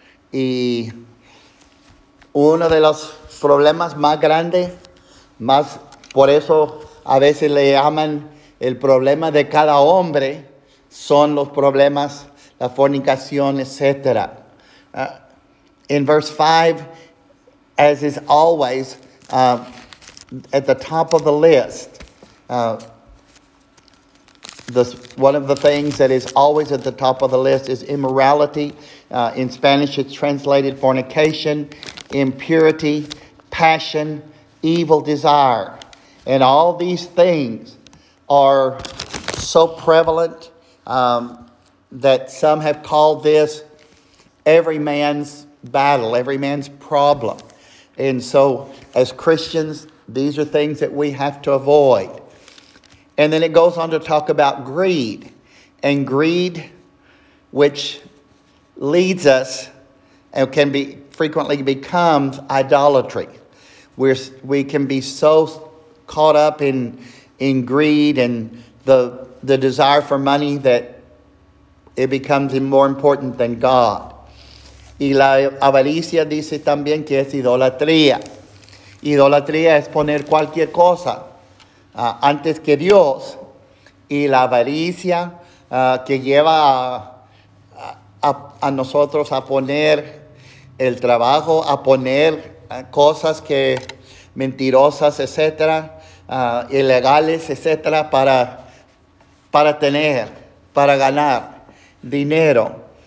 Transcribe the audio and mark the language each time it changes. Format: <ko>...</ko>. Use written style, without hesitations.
<es>Y uno de los problemas más grandes, más por eso a veces le llaman el problema de cada hombre, son los problemas, la fornicación, etc.</es> <en>In verse 5, as is always at the top of the list, one of the things that is always at the top of the list is immorality. In Spanish, it's translated fornication, impurity, passion, evil desire. And all these things are so prevalent that some have called this every man's battle, every man's problem. And so as Christians, these are things that we have to avoid. And then it goes on to talk about greed. And greed, which leads us and can be frequently becomes idolatry. We can be so caught up in greed and the desire for money that it becomes more important than God.</en> <es>Y la avaricia dice también que es idolatría. Idolatría es poner cualquier cosa antes que Dios. Y la avaricia que lleva a nosotros a poner el trabajo, a poner cosas que mentirosas, etcétera, ilegales, etcétera, para tener, para ganar dinero.</es>